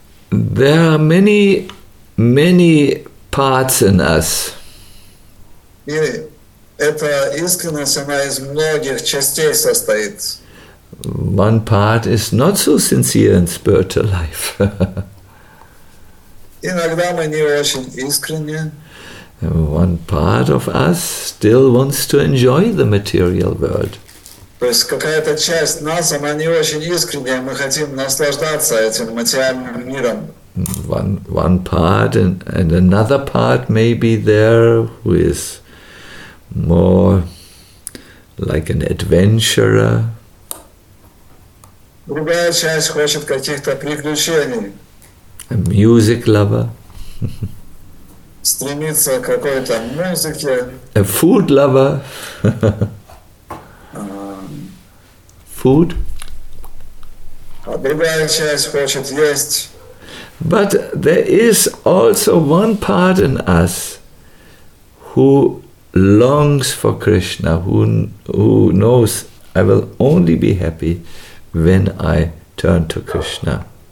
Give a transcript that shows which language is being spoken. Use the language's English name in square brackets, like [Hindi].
[English] There are many, many parts in us. [Russian] Эта искренность, она из многих частей состоит. [English] One part is not so sincere in spiritual life. [Russian] Иногда мы не очень искренне. [English] One part of us still wants to enjoy the material world. [Russian] То есть какая-то часть нас, она не очень искренняя, мы хотим наслаждаться этим материальным миром. [English] One part and another part may be there who is more like an adventurer. [Russian] Другая часть хочет каких-то приключений. [English] A music lover. [Russian] Стремится к какой-то музыке. [English] A food lover. Food. [Russian] А другая часть хочет есть. [English] But there is also one part in us who longs for Krishna, who knows I will only be happy when I turn to Krishna.